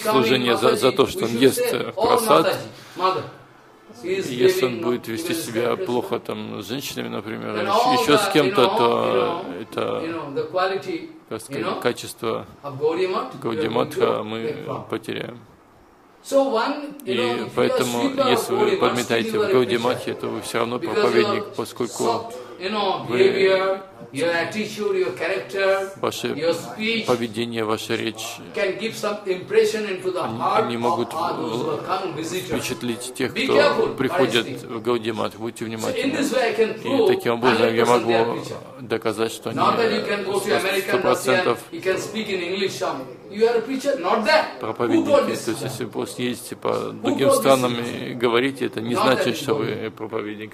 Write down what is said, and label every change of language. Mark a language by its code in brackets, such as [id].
[ru] служение за то, что он ест просад, если он будет вести себя плохо там, с женщинами, например, еще с кем-то, то это, как сказать, качество Гаудиматха мы потеряем. [en] So one, you know, if you sweep up Gaudiya Math, you are a preacher. Because your soft, you know, behavior, your attitude, your character, your speech can give some impression into the heart of our coming visitor. Be careful, I think. So in this way, I can prove that you are a preacher. Not that you can go to America and say you can speak in English. You are a preacher, not that. [ru] Проповедники, то есть если просто ездите по другим странам и говорите, это не значит, что вы проповедник.